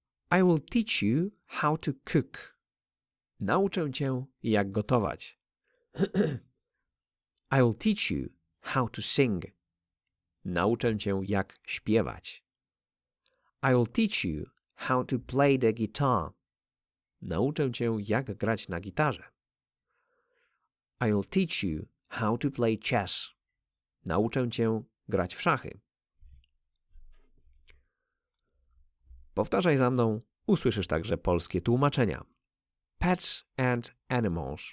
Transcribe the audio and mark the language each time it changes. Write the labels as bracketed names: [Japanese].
[English] I will teach you how to cook. [Polish] Nauczę cię, jak gotować. [English] I will teach you how to sing. [Polish] Nauczę cię, jak śpiewać. [English] I will teach you how to play the guitar. [Polish] Nauczę cię, jak grać na gitarze. [English] I will teach you how to play chess. [Polish] Nauczę cię grać w szachy. Powtarzaj za mną. Usłyszysz także polskie tłumaczenia. [English] Pets and animals.